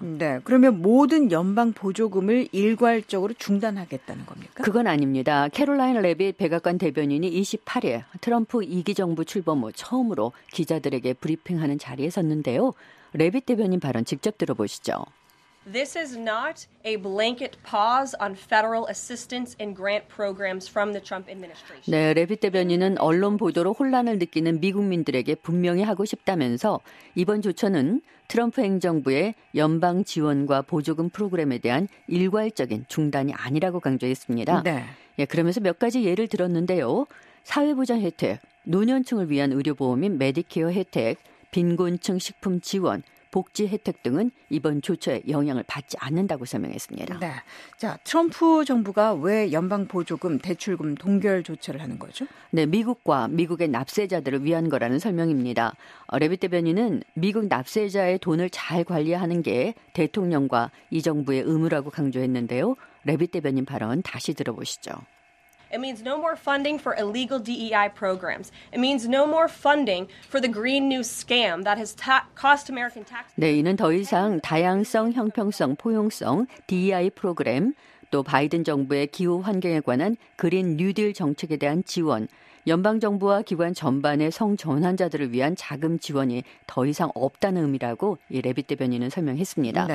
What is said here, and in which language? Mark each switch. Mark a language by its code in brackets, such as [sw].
[ko] 네, 그러면 모든 연방 보조금을 일괄적으로 중단하겠다는 겁니까? 그건 아닙니다. 캐롤라인 레빗 백악관 대변인이 28일 트럼프 2기 정부 출범 후 처음으로 기자들에게 브리핑하는 자리에 섰는데요. 레빗 대변인 발언 직접 들어보시죠. [en] This is not a blanket pause on federal assistance and grant programs from the Trump administration. [ko] 네, 레빗 대변인은 언론 보도로 혼란을 느끼는 미국민들에게 분명히 하고 싶다면서 이번 조처는 트럼프 행정부의 연방 지원과 보조금 프로그램에 대한 일괄적인 중단이 아니라고 강조했습니다. 네. 예, 그러면서 몇 가지 예를 들었는데요. 사회보장 혜택, 노년층을 위한 의료보험인 메디케어 혜택, 빈곤층 식품 지원, 복지 혜택 등은 이번 조처에 영향을 받지 않는다고 설명했습니다. 네. 자, 트럼프 정부가 왜 연방 보조금, 대출금 동결 조처를 하는 거죠? 네, 미국과 미국의 납세자들을 위한 거라는 설명입니다. 레빗 대변인은 미국 납세자의 돈을 잘 관리하는 게 대통령과 이 정부의 의무라고 강조했는데요. 레빗 대변인 발언 다시 들어보시죠. [en] It means no more funding for illegal DEI programs. It means no more funding for the Green New Scam that has cost American taxpayers. [ko] 네, 이는 더 이상 다양성, 형평성, 포용성, DEI 프로그램, 또 바이든 정부의 기후 환경에 관한 그린 뉴딜 정책에 대한 지원, 연방정부와 기관 전반의 성전환자들을 위한 자금 지원이 더 이상 없다는 의미라고 이 레빗 대변인은 설명했습니다.